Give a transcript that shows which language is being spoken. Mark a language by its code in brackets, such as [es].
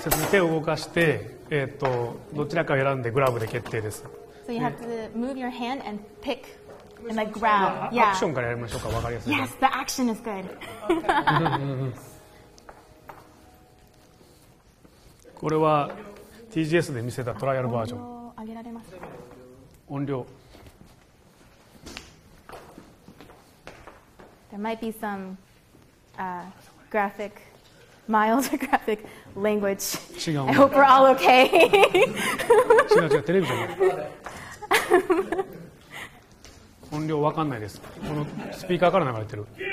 [ja] 手を動かして、どちらかを選んでグラブで決定です。 [en] So you have to move your hand and pick and like grab. Yeah. [ja] アクションからやりましょうか。わかりやすい。 [en] Yes, the action is good. [ja] これは TGS で見せたトライアルバージョン。上げられます。音量。 [en] There might be some graphic, mild graphic language. [ja] 違う。 [en] I hope we're all okay. [ja] 違う違う、テレビじゃない。音量分かんないです。このスピーカーから流れてる。